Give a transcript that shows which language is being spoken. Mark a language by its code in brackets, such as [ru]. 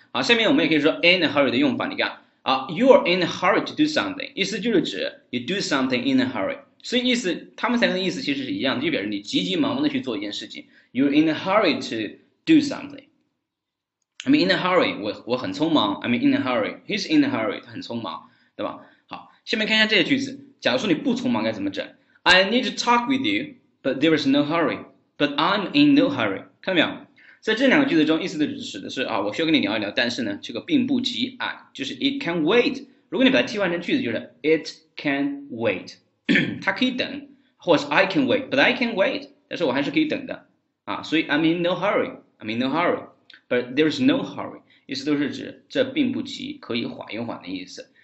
[zh] 好，下面我们也可以说 in a hurry 的用法。你看啊， [en] you are in a hurry to do something， [zh] 意思就是指 [en] you do something in a hurry。 [zh] 所以意思，他们三个的意思其实是一样的，就表示你急急忙忙的去做一件事情。 [en] you are in a hurry to do something。 I'm in a hurry， [zh] 我很匆忙。 [en] I'm in a hurry，he's in a hurry， [zh] 他很匆忙，对吧？好，下面看一下这些句子。假如说你不匆忙，该怎么整？ [en] I need to talk with you，but there is no hurry，but I'm in no hurry。 [zh] 看到没有？在这两个句子中，意思的指的是我需要跟你聊一聊，但是呢，这个并不急啊，就是 [en] it can wait。 [zh] 如果你把它替换成句子，就是 it can wait，它可以等，或是 I can wait， [en] but I can wait， [zh] 但是我还是可以等的啊。所以 [en] I'm in no hurry， [zh] I'm in no hurry。But there is no hurry，意思都是指这并不急，可以缓一缓的意思。